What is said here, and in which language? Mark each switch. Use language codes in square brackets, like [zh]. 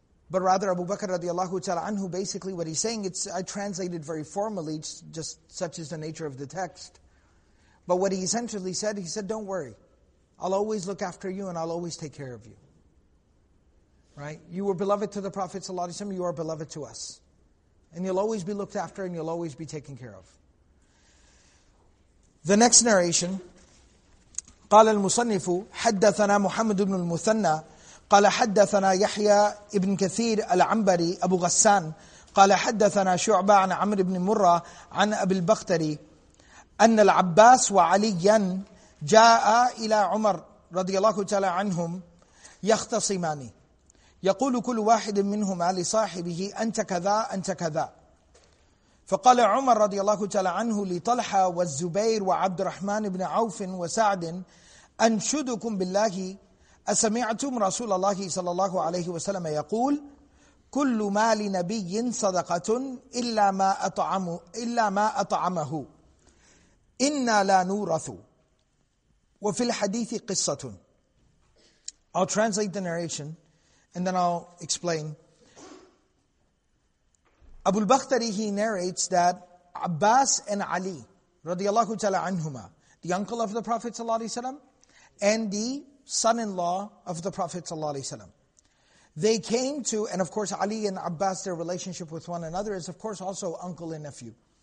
[en] But rather Abu Bakr radiallahu ta'ala anhu, basically what he's saying, it's I translated very formally, just such is the nature of the text. But what he essentially said, he said, don't worry. I'll always look after you and I'll always take care of you. Right? You were beloved to the Prophet sallallahu alaihi wasallam, you are beloved to us. And you'll always be looked after and you'll always be taken care of. The next narration, [ar] قال المصنف حدثنا محمد بن المثنى قال حدثنا يحيى ابن كثير العنبري أبو غسان قال حدثنا شعبة عن عمرو بن مرة عن أبي البختري أن العباس وعليا جاء إلى عمر رضي الله تعالى عنهم يختصمان يقول كل واحد منهما لصاحبه أنت كذا أنت كذا فقال عمر رضي الله تعالى عنه لطلحة والزبير وعبد الرحمن بن عوف وسعد أنشدكم بالله أسمعتم رسول الله صلى الله عليه وسلم يقول كل ما لنبي صدقة إلا ما أطعمه إنا لا نورث وفي الحديث قصة. [en] I'll translate the narration and then I'll explain. Abu al-Bakhtari, he narrates that Abbas and Ali radiallahu ta'ala anhuma, the uncle of the Prophet sallallahu alayhi wa sallam and the son-in-law of the Prophet sallallahu alayhi wa sallam, they came to, and of course Ali and Abbas, their relationship with one another is of course also uncle and nephew.